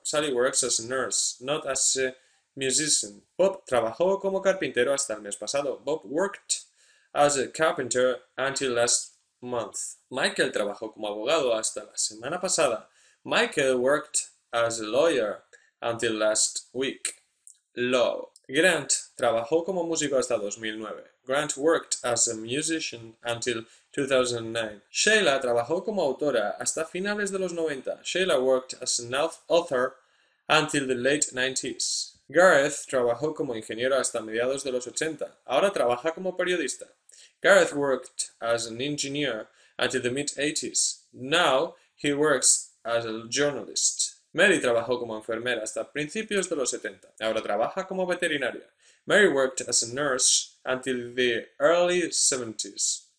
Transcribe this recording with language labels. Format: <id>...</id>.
<en>Sally works as a nurse, not as a musician.</en> <es>Bob trabajó como carpintero hasta el mes pasado.</es> <en>Bob worked as a carpenter until last month.</en> <es>Michael trabajó como abogado hasta la semana pasada.</es> <en>Michael worked as a lawyer until last week. Law.</en> <es>Grant trabajó como músico hasta 2009.</es> <en>Grant worked as a musician until 2009.</en> <es>Sheila trabajó como autora hasta finales de los 90.</es> <en>Sheila worked as an author until the late 90s.</en> <es>Gareth trabajó como ingeniero hasta mediados de los 80. Ahora trabaja como periodista.</es> <en>Gareth worked as an engineer until the mid 80s. Now he works as a journalist.</en> <es>Mary trabajó como enfermera hasta principios de los 70. Ahora trabaja como veterinaria.</es> <en>Mary worked as a nurse until the early 70s.</en>